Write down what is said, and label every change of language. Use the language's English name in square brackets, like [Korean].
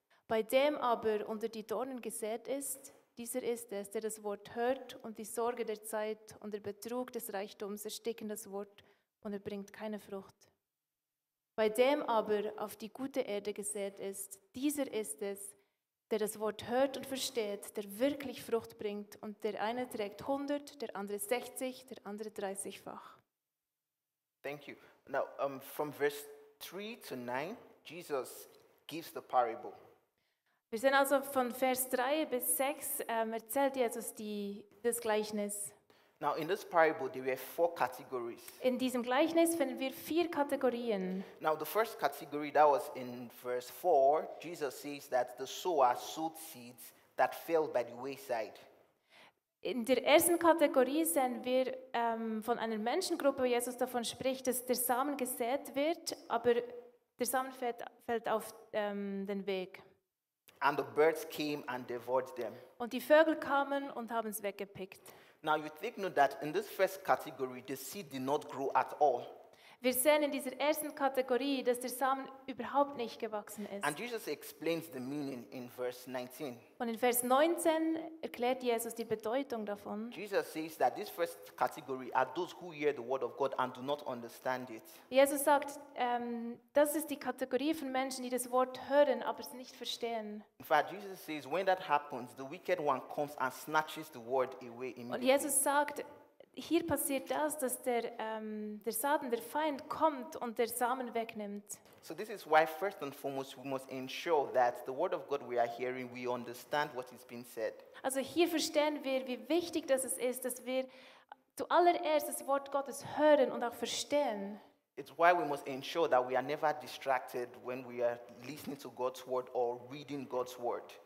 [German] Bei dem aber unter die Dornen gesät ist, dieser ist es, der das Wort hört und die Sorge der Zeit und der Betrug des Reichtums ersticken das Wort und er bringt keine Frucht. Bei dem aber auf die gute Erde gesät ist, dieser ist es, der das Wort hört und versteht, der wirklich Frucht bringt und der eine trägt 100, der andere 60, der andere 30-fach. [English] Thank you. Now, from verse 3 to 9, Jesus gives the parable. [German] Wir sehen also von Vers 3 bis 6 erzählt Jesus das Gleichnis. [English] Now in this parable there were four categories. [German] In diesem Gleichnis finden wir vier Kategorien. [English] Now the first category that was in verse 4, Jesus says that the sower sowed seeds that fell by the wayside. [German] In der ersten Kategorie sehen wir von einer Menschengruppe, wo Jesus davon spricht, dass der Samen gesät wird, aber der Samen fällt auf den Weg. [English] And the birds came and devoured them. [German] Und die Vögel kamen und haben es weggepickt. [English] Now you take note that in this first category the seed did not grow at all. [German] Wir sehen in dieser ersten Kategorie, dass der Samen überhaupt nicht gewachsen ist. [English] And Jesus explains the meaning in verse 19. [German] Und in Vers 19 erklärt Jesus die Bedeutung davon. [English] Jesus says that this first category are those who hear the word of God and do not understand it. [German] Jesus sagt, das ist die Kategorie von Menschen, die das Wort hören, aber es nicht verstehen. [English] In fact, Jesus says, when that happens, the wicked one comes and snatches the word away immediately. [German] Und Jesus sagt, hier passiert das, dass der Satan, der Feind, kommt und der Samen wegnimmt. [English] So this is why first and foremost we must ensure that the word of God we are hearing, we understand what is being said. [German] Also hier verstehen wir, wie wichtig das ist, dass wir zuallererst das Wort Gottes hören und auch verstehen. [English] It's why we must ensure that we are never distracted when we are listening to God's word or reading God's word.